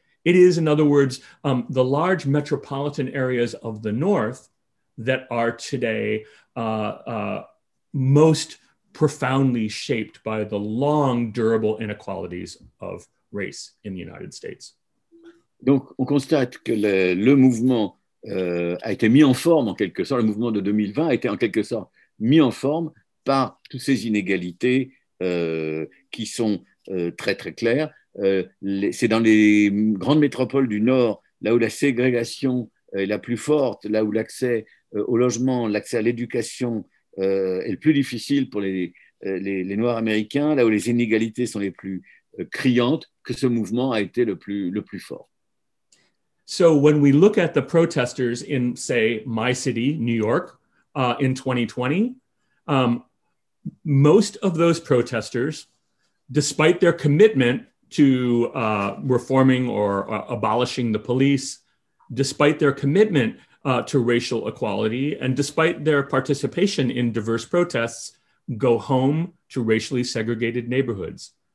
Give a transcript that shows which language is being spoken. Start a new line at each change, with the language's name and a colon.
English: It is, in other words, the large metropolitan areas of the North that are today most profoundly shaped by the long, durable inequalities of race in the United States.
French: Donc, on constate que le mouvement a été mis en forme, en quelque sorte, le mouvement de 2020 a été en quelque sorte mis en forme par toutes ces inégalités qui sont très, très claires. C'est dans les grandes métropoles du Nord, là où la ségrégation est la plus forte, là où l'accès au logement, l'accès à l'éducation est le plus difficile pour les Noirs américains, là où les inégalités sont les plus criantes, que ce mouvement a été le plus fort.
English: So when we look at the protesters in, say, my city, New York, in 2020, most of those protesters, despite their commitment to reforming or abolishing the police, despite their commitment to racial equality, and despite their participation in diverse protests, go home to racially segregated neighborhoods.